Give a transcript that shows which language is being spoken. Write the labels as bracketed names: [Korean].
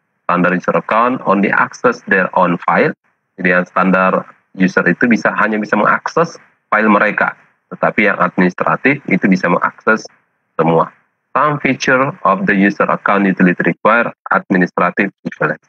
[English] Standard user account only access their own file. [Indonesian] Jadi yang standar user itu bisa hanya bisa mengakses file mereka, tetapi yang administratif itu bisa mengakses semua. [English] Some feature of the user account utility require administrative privilege.